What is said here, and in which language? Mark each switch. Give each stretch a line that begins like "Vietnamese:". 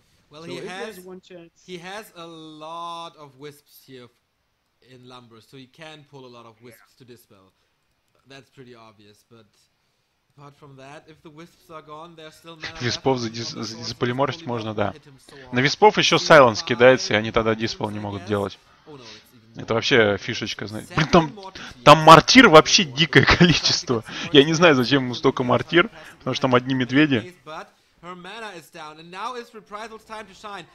English: Well, so he has a lot of wisps here in Lumber, so he can pull a lot of wisps to dispel. That's pretty obvious, but apart from that, if the wisps are gone, there's still mana.
Russian: Виспов задисполиморфить можно, да. На виспов еще Silence кидается, и они тогда диспел не могут делать. Это вообще фишечка, знаете. Блин, там мортир вообще дикое количество. Я не знаю, зачем ему столько мортир, потому что там одни медведи.
English: Her mana is down, and now is Reprisal's time to shine.